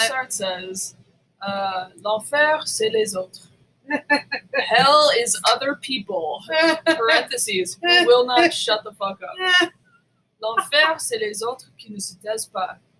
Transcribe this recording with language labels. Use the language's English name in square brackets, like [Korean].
[English] Jean-Paul Sartre says, [French] "L'enfer c'est les autres." [English] Hell is other people. Parentheses who will not shut the fuck up. [French] L'enfer c'est les autres qui ne se taisent pas.